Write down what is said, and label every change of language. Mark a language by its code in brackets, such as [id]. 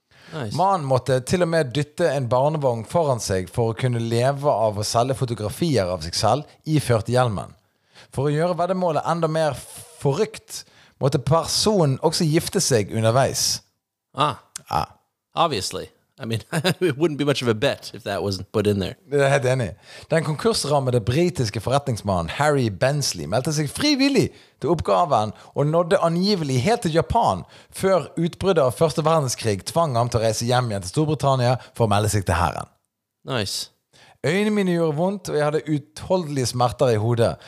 [en] Nice. [no] Man måtte til og med dytte en barnevogn foran seg for å kunne leve av å selge fotografier av seg selv iført hjelmen. For å gjøre veddemålet enda mer forrykt, måtte personen også gifte seg underveis. Ah, ja. [en] Obviously. I mean, it wouldn't be much of a bet if that wasn't put in there. [no] Det er helt enig. Den konkursrammede britiske forretningsmannen Harry Bensley meldte seg frivillig til oppgaven og nådde angivelig helt til Japan før utbruddet av Første verdenskrig tvang ham til å reise hjem igjen til Storbritannia for å melde seg til hæren. [en] Nice. [no] Øynene mine gjorde vondt, og jeg hadde utholdelige smerter i hodet.